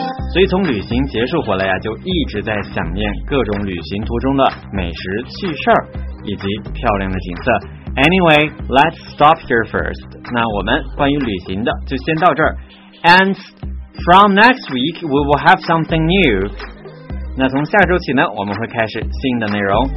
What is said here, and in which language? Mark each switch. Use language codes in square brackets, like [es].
[zh] 所以从旅行结束回来呀，就一直在想念各种旅行途中的美食、趣事儿，以及漂亮的景色。 [en] Anyway, let's stop here first. [zh] 那我们关于旅行的就先到这儿。 [en] And from next week, we will have something new. [zh] 那从下周起呢，我们会开始新的内容。